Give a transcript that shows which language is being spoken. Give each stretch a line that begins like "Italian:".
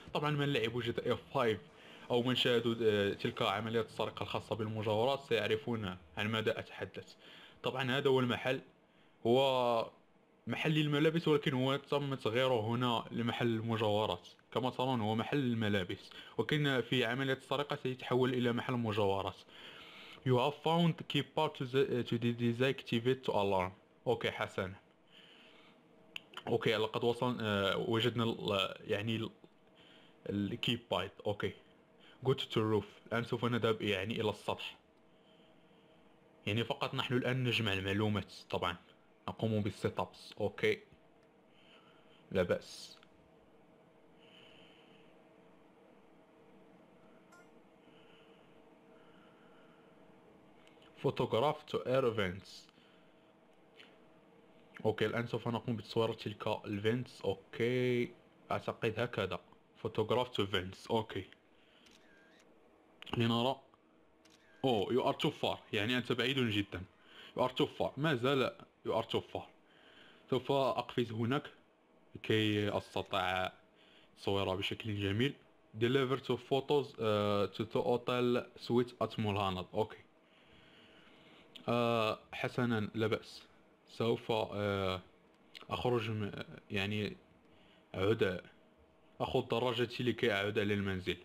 Arabic: طبعا من لعبوا GTA 5 أو من شاهدوا تلك عمليات السرقة الخاصة بالمجوهرات سيعرفون عن ماذا أتحدث. طبعا هذا هو المحل، هو محل الملابس، ولكن هو تم تغييره هنا لمحل المجوهرات. كما ترون هو محل الملابس، ولكن في عملية السرقة سيتحول إلى محل مجوهرات.
English: You have found key part to the deactivate to alarm.
Arabic: أوكي حسنا. أوكي لقد وصل وجدنا يعني الكي بايت.
English: Okay go to the roof.
Arabic: الآن سوف نذهب يعني إلى السطح، يعني فقط نحن الآن نجمع المعلومات. طبعا نقوم بالسيت ابس. أوكي لا بأس.
English: photograph to air vents.
Arabic: اوكي الان سوف نقوم بتصوير تلك الفنتس. اوكي اعتقد هكذا
English: photograph to vents.
Arabic: اوكي لنرى. او
English: you are too far،
Arabic: يعني انت بعيد جدا.
English: you are too far،
Arabic: ما زال
English: you are too far.
Arabic: سوف اقفز هناك لكي استطيع صورة بشكل جميل.
English: deliver to photos to the hotel suite at Mulhanad.
Arabic: اوكي حسنا لا بأس. سوف أخرج يعني أعود أخذ دراجتي لكي أعود للمنزل.